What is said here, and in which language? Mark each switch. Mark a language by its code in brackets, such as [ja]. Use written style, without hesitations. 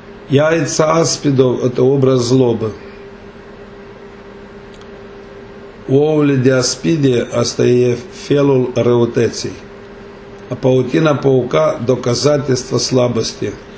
[ru] Яйца аспидов – это образ злобы. [ro] Ouăle de aspide – asta e felul răutății. [ru] А паутина паука – доказательство слабости.